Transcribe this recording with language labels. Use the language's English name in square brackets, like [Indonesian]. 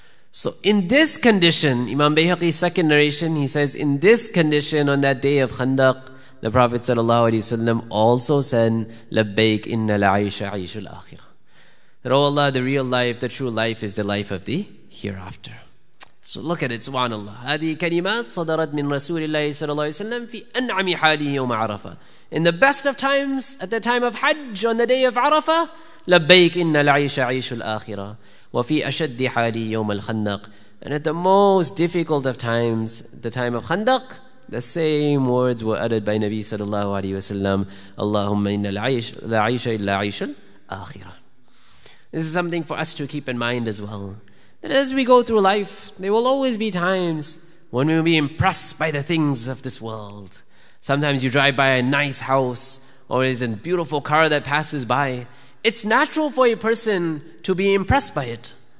[English] So in this condition, Imam Bayhaqi's second narration, he says, in this condition on that day of Khandaq, the Prophet sallallahu alaihi wasallam also said, [Arabic] Labbaik inna la'aysha aishul akhirah. [English] That, oh Allah, the real life, the true life is the life of the hereafter. So look at it, subhanallah. [Arabic] هذه كلمات صدرت من رسول الله صلى الله عليه وسلم في أنعم حاله يوم عرفة. [English] In the best of times, at the time of Hajj, on the day of Arafah, [Arabic] لبيك إن العيش عيش الآخرة وفي أشد حالي يوم الخندق. [English] And at the most difficult of times, the time of Khandaq, the same words were uttered by Nabi صلى الله عليه وسلم. [Arabic] اللهم إن العيش لا عيش إلا عيش الآخرة. [English] This is something for us to keep in mind as well. That as we go through life, there will always be times when we will be impressed by the things of this world. Sometimes you drive by a nice house or there's a beautiful car that passes by. It's natural for a person to be impressed by it.